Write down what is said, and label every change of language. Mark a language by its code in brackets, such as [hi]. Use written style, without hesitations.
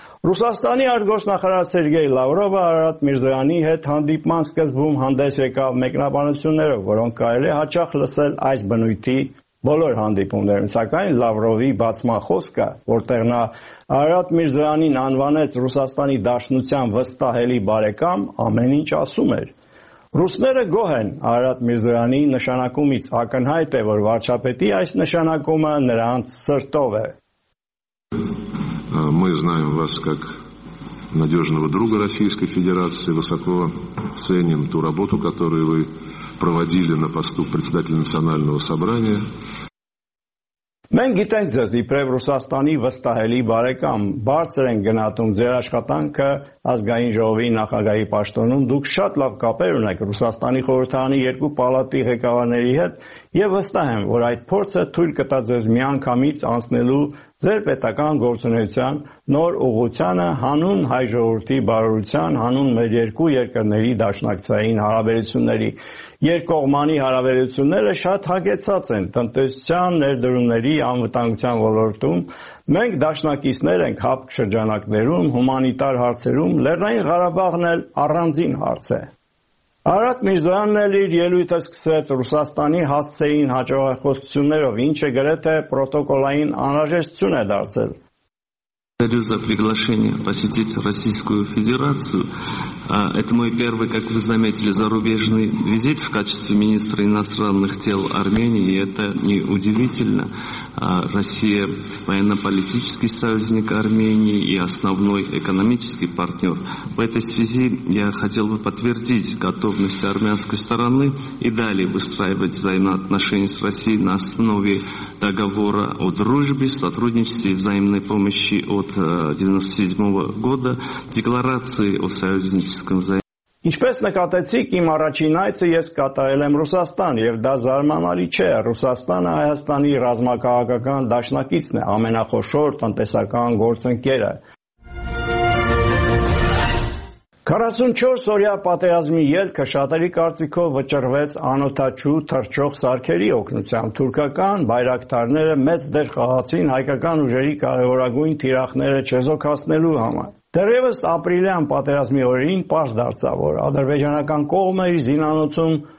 [hy] Ռուսաստանի արտգործնախարար Սերգեյ Լավրովը Արարատ Միրզոյանի հետ հանդիպման սկզբում հանդես եկավ մեկնաբանություններով, որոնք կարելի հաճախ լսել այս բնույթի բոլոր հանդիպումներում, սակայն Լավրովի բացման խոսքը, որտեղ նա Արարատ Միրզոյանին անվանեց Ռուսաստանի Դաշնության վստահելի բարեկամ, ամեն ինչ ասում էր. Ռուսները գոհ են Արարատ Միրզոյանի նշանակումից, ակնհայտ է, որ վարչապետի այս նշանակումը նրանց սրտով է։ [ru] Мы знаем вас как надёжного друга Российской Федерации, высоко ценим ту работу, которую вы проводили на посту председателя национального собрания. [hy] Մենք գիտենք ձեզ իբրև Ռուսաստանի վստահելի բարեկամ, բարձր են գնահատում ձեր աշխատանքը ազգային ժողովի նախագահի պաշտոնում, դուք շատ լավ կապեր ունեք Ռուսաստանի խորհրդարանի երկու պալատի ղեկավարների հետ, եւ վստահ եմ, որ այդ փորձը թույլ կտա ձեզ միանգամից անցնելու ձեր պետական գործունեության նոր ուղղությանը հանուն հայ ժողովրդի բարօրության, հանուն մեր երկու երկրների դաշնակցային հարաբերությունների։ Երկկողմանի հարաբերությունները շատ հագեցած են տնտեսության, ներդրումների, անվտանգության ոլորտում։ Մենք դաշնակիցներ ենք հապ շրջանակներում, հումանիտար հարցերում, Լեռնային Ղարաբաղն էլ առանձին հարց է։ Արարատ Միրզոյանն էլ իր ելույթը սկսեց Ռուսաստանի հասցեին հաջողախոսություններով, ինչը գրեթե պրոտոկոլային անհրաժեշտություն է դարձել։ [ru] Благодарю за приглашение посетить Российскую Федерацию. Это мой первый, как вы заметили, зарубежный визит в качестве министра иностранных дел Армении, и это не удивительно. Россия – военно-политический союзник Армении и основной экономический партнер. В этой связи я хотел бы подтвердить готовность армянской стороны и далее выстраивать взаимоотношения с Россией на основе договора о дружбе, сотрудничестве и взаимной помощи от 97-го года, декларации о союзническом взаимодействии. [hy] Ինչպես նկատեցիք, իմ առաջին այցը ես կատարել եմ Ռուսաստան, եւ դա զարմանալի չէ։ Ռուսաստանը Հայաստանի ռազմաքաղաքական դաշնակիցն է, ամենախոշոր տնտեսական գործընկերը։ 44-օրյա պատերազմի ելքը շատերի կարծիքով վճռվեց անօթաչու թռչող սարքերի օգնությամբ։ Թուրքական բայրակտարները մեծ դեր խաղացին հայկական ուժերի կարևորագույն թիրախները չեզոքացնելու համար։ Դեռևս ապրիլյան պատերազմի օրերին պարզ դարձավ, որ ադրբեջանական կողմը իր զինանոցում